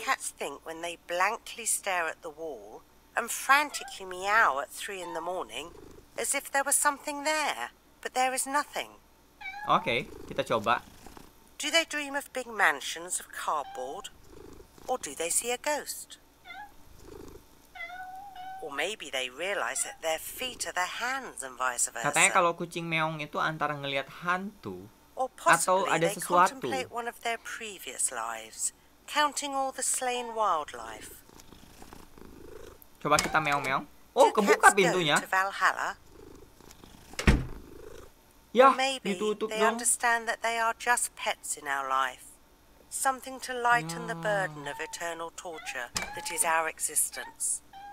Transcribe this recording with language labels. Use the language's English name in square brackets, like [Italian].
[English] What do cats think when they blankly stare at the wall and frantically meow at 3 in the morning as if there was something there, but there is nothing? [Indonesian] Okay, kita coba. [English] Do they dream of big mansions of cardboard? Or do they see a ghost? Or maybe they realize that their feet are their hands and vice versa. [Indonesian] Katanya kalau kucing meong itu antara ngelihat hantu atau ada sesuatu. [English] Or possibly they contemplate one of their previous lives, counting all the slain wildlife. [Indonesian] Coba kita meong-meong. Oh, kebuka pintunya. [English] To Valhalla? Ya, or maybe [Indonesian] ditutup [English] they [Indonesian] dong. [English] Understand that they are just pets in our life. Something to lighten the burden of eternal torture that is our existence.